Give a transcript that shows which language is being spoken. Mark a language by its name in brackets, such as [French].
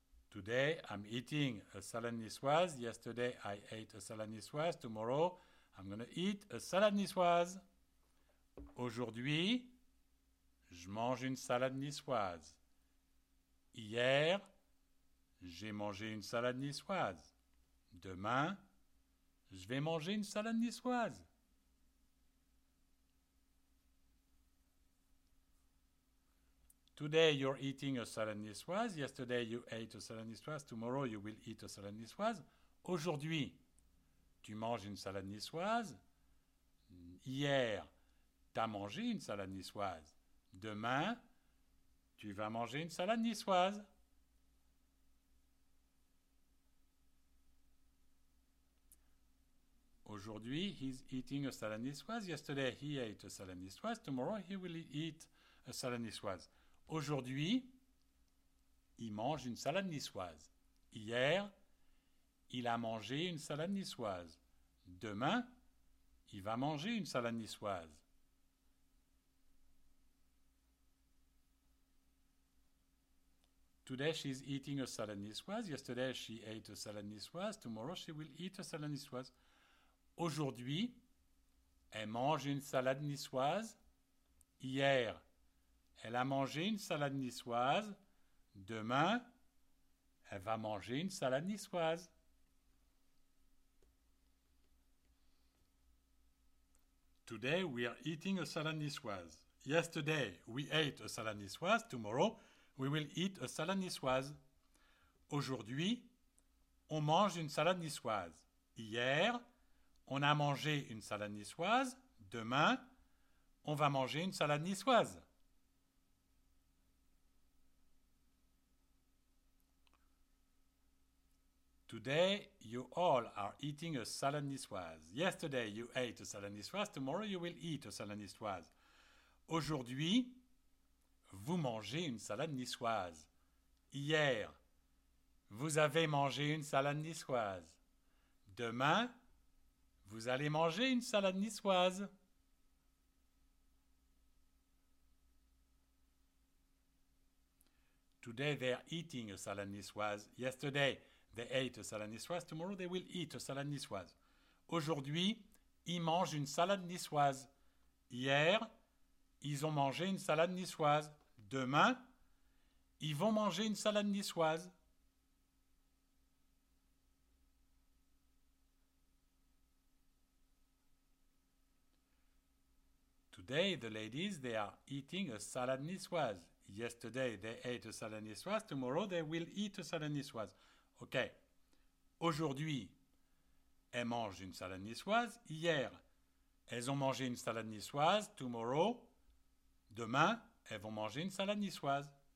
[English] Today, I'm eating a salad niçoise. Yesterday, I ate a salad niçoise. Tomorrow, I'm going to eat a salad niçoise. [French] Aujourd'hui, je mange une salade niçoise. Hier, j'ai mangé une salade niçoise. Demain, je vais manger une salade niçoise. [English] Today, you're eating a salad niçoise. Yesterday, you ate a salad niçoise. Tomorrow, you will eat a salad niçoise. [French] Aujourd'hui, tu manges une salade niçoise. Hier, t'as mangé une salade niçoise. Demain, tu vas manger une salade niçoise. Aujourd'hui, [English] he's eating a salad niçoise. Yesterday, he ate a salad niçoise. Tomorrow, he will eat a salad niçoise. [French] Aujourd'hui, il mange une salade niçoise. Hier, il a mangé une salade niçoise. Demain, il va manger une salade niçoise. [English] Today, she's eating a salad niçoise. Yesterday, she ate a salad niçoise. Tomorrow, she will eat a salad niçoise. [French] Aujourd'hui, elle mange une salade niçoise. Hier, elle a mangé une salade niçoise. Demain, elle va manger une salade niçoise. [English] Today, we are eating a salade niçoise. Yesterday, we ate a salade niçoise. Tomorrow, we will eat a salade niçoise. [French] Aujourd'hui, on mange une salade niçoise. Hier, on a mangé une salade niçoise. Demain, on va manger une salade niçoise. [English] Today, you all are eating a salade niçoise. Yesterday, you ate a salade niçoise. Tomorrow, you will eat a salade niçoise. [French] Aujourd'hui, vous mangez une salade niçoise. Hier, vous avez mangé une salade niçoise. Demain, vous allez manger une salade niçoise. [English] Today they're eating a salad niçoise. Yesterday they ate a salad niçoise. Tomorrow they will eat a salad niçoise. [French] Aujourd'hui, ils mangent une salade niçoise. Hier, ils ont mangé une salade niçoise. Demain, ils vont manger une salade niçoise. [English] Today, the ladies, they are eating a salad niçoise. Yesterday, they ate a salad niçoise. Tomorrow, they will eat a salad niçoise. OK. [French] Aujourd'hui, elles mangent une salade niçoise. Hier, elles ont mangé une salade niçoise. [English] Tomorrow, [French] demain, elles vont manger une salade niçoise.